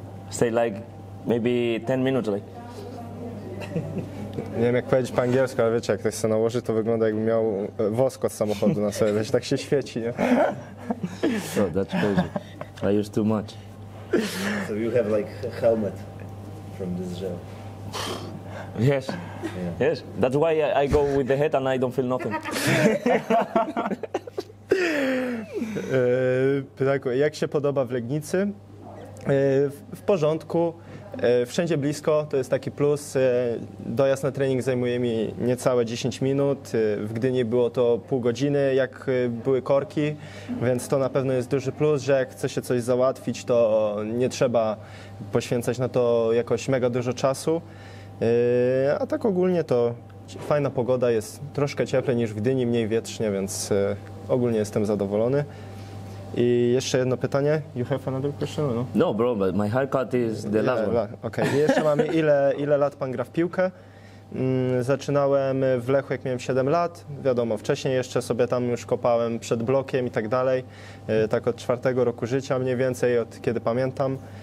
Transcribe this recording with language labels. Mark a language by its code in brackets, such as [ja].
[en] Stay like maybe 10 minutes, like. [pl] Nie wiem, jak powiedzieć po angielsku, ale wiecie, jak ktoś sobie nałoży, to wygląda, jakby miał wosk od samochodu na sobie, wiecie, tak się świeci, nie? [en] So, that's crazy. I use too much. So you have like a helmet from this gel? Yes. Yeah. Yes. That's why I go with the head and I don't feel nothing. [pl] Pytanko, jak się podoba w Legnicy? W porządku. Wszędzie blisko, to jest taki plus. Dojazd na trening zajmuje mi niecałe 10 minut. W Gdyni było to pół godziny, jak były korki, więc to na pewno jest duży plus, że jak chce się coś załatwić, to nie trzeba poświęcać na to jakoś mega dużo czasu. A tak ogólnie to fajna pogoda, jest troszkę cieplej niż w Gdyni, mniej wietrznie, więc ogólnie jestem zadowolony. I jeszcze jedno pytanie. [en] You have another question, no? No, bro, but my haircut is the last one. Okay. [pl] I jeszcze mamy, ile lat pan gra w piłkę? Zaczynałem w Lechu, jak miałem 7 lat. Wiadomo, wcześniej jeszcze sobie tam już kopałem przed blokiem i tak dalej. Tak od 4 roku życia mniej więcej, od kiedy pamiętam.